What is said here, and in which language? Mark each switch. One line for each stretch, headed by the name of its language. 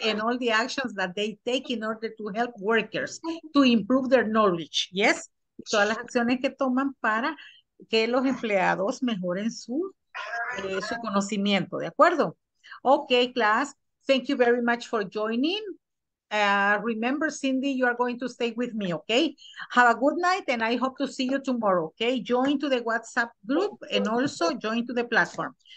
English: And all the actions that they take in order to help workers to improve their knowledge.
Spanish: Yes, todas las acciones que toman para que los empleados mejoren su conocimiento, ¿de acuerdo?
English: Okay, class, thank you very much for joining. Remember, Cindy, you are going to stay with me, okay? Have a good night, and I hope to see you tomorrow, okay? Join to the WhatsApp group, and also join to the platform.